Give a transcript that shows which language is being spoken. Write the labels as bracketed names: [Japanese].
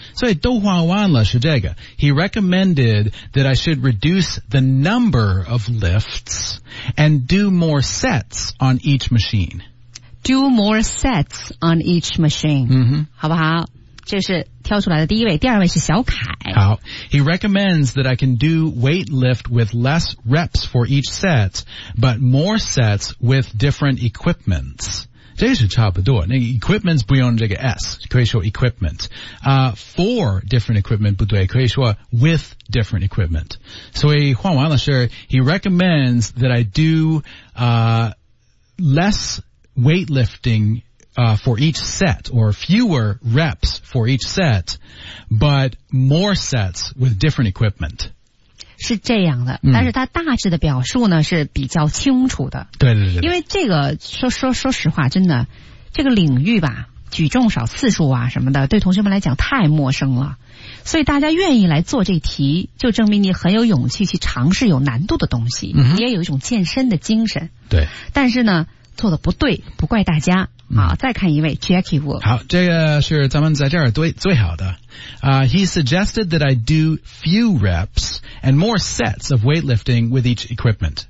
[Chinese] 所以都换完了是这个 [English] He recommended that I should reduce the number of lifts and do more sets on each machine Do more sets on each machine.、 Mm-hmm. [Chinese] 好不好这是挑出来的第一位第二位是小凯。 [English] 好 He recommends that I can do weight lift with less reps for each set, but more sets with different equipments. [Chinese] 这是差不多那 equipments 不用这个 S, 可以说 equipment.、 [English] For different equipment [Chinese] 不对可以说 [English] with different equipment. [Chinese] 所以换完了是 [English] He recommends that I do, less weightlifting, for each set, or fewer reps for each set, but more sets with different equipment. [Chinese] 是这样的、嗯、但是它大致的表述呢是比较清楚的。对。因为这个说实话真的这个领域吧举重少次数啊什么的，对同学们来讲太陌生了。所以大家愿意来做这题，就证明你很有勇气去尝试有难度的东西，嗯，也有一种健身的精神。对。但是呢，做的不对，不怪大家。好，再看一位 Jackie Wu。好，这个是咱们在这儿最好的。 [English] He suggested that I do few reps and more sets of weightlifting with each equipment.